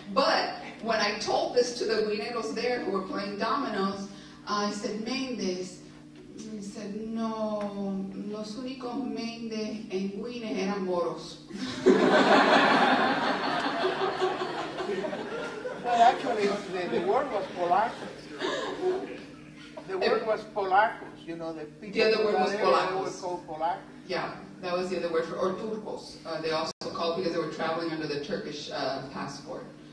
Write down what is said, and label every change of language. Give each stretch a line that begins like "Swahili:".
English: But when I told this to the Guineros there who were playing dominoes, I said, Mendes. He said,
Spanish: no, los únicos Mendes en Guines eran moros.
English: Well, actually, the word was polacos. The word was polacos, you know, the people. The other word was polacos. Were called polacos. Yeah, that was the other word for, or turcos. They also called because they were traveling under the Turkish passport.